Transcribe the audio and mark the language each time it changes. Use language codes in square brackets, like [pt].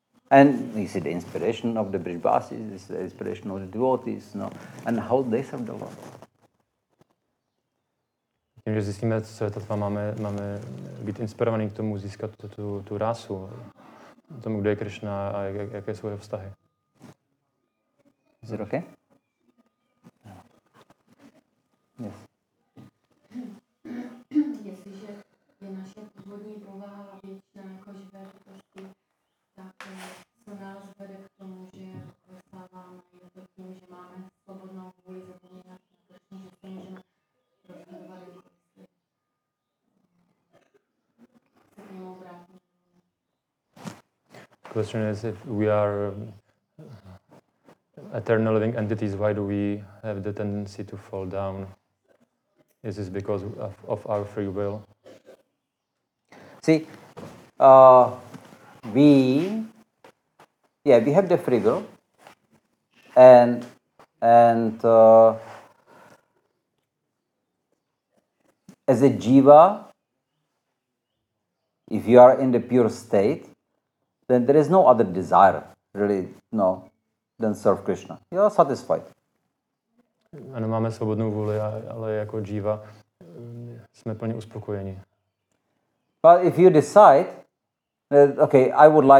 [en] And you see the inspiration of the Brijbasis, is the inspiration of the devotees, no, and how they serve the Lord. [cs] Tím, že zjistíme, co je tatva, máme být inspirovaný k tomu, získat tu rasu, tomu, kde je Krishna a jaké jsou jeho vztahy. [en] Is it okay? No. Yes. [cs] Jestliže je naše původní povaha většina jako živé bytosti, tak co nás vede k tomu, že dostáváme jako tím, že máme svobodnou vůli zapomínat na to, že se můžeme rozhodovat jako [en] The question is, if we are eternal living entities, why do we have the tendency to fall down? Is this because of our free will? See, we have the free will, and as a jiva, if you are in the pure state, then there is no other desire, really, no, than serve Krishna. You are satisfied. [cs] Ano, máme svobodnou vůli, ale jako jiva jsme plně uspokojeni. [en] But if you decide that, okay, I would like